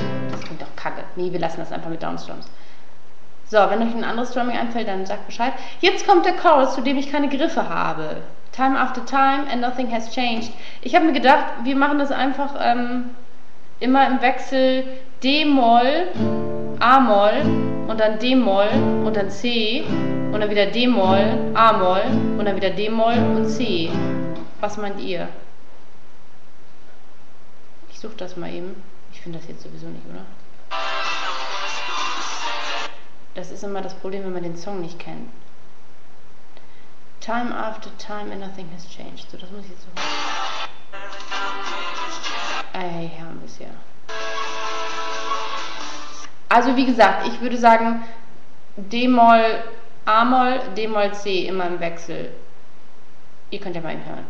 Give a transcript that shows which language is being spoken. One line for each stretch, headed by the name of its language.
German: Das klingt doch kacke. Nee, wir lassen das einfach mit Downstrums. So, wenn euch ein anderes Drumming einfällt, dann sagt Bescheid. Jetzt kommt der Chorus, zu dem ich keine Griffe habe.
English: Time after time and nothing has changed.
German: Ich habe mir gedacht, wir machen das einfach immer im Wechsel D-Moll, A-Moll und dann D-Moll und dann C und dann wieder D-Moll, A-Moll und dann wieder D-Moll und C. Was meint ihr? Ich suche das mal eben. Ich finde das jetzt sowieso nicht, oder? Das ist immer das Problem, wenn man den Song nicht kennt.
English: Time after time and nothing has changed.
German: So, das muss ich jetzt suchen. Ey, haben wir es ja. Also, wie gesagt, ich würde sagen, D-Moll, A-Moll, D-Moll, C immer im Wechsel. Ihr könnt ja mal hören.